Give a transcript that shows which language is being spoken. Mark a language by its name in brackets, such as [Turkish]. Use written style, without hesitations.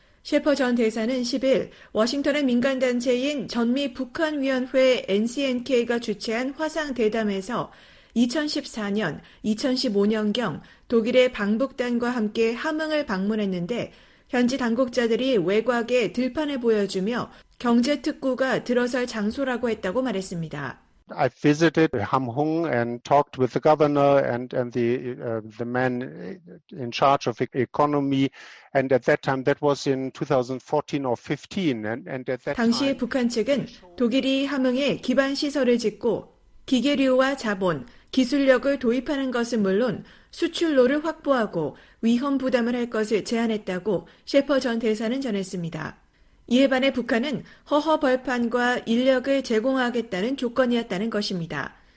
[Korean] 셰퍼 전 대사는 10일 워싱턴의 민간단체인 전미북한위원회 NCNK가 주최한 화상대담에서 2014년, 2015년경 독일의 방북단과 함께 함흥을 방문했는데 현지 당국자들이 외곽에 들판을 보여주며 경제특구가 들어설 장소라고 했다고 말했습니다. [English] I visited Hamhung and talked with the governor and the man in charge of economy and at that time that was in 2014 or 15 and at that [Korean] 당시 북한 측은 독일이 함흥에 기반 시설을 짓고 기계류와 자본, 기술력을 도입하는 것은 물론 수출로를 확보하고 위험 부담을 할 것을 제안했다고 셰퍼 전 대사는 전했습니다. 이에 반해 북한은 허허벌판과 인력을 제공하겠다는 조건이었다는 것입니다.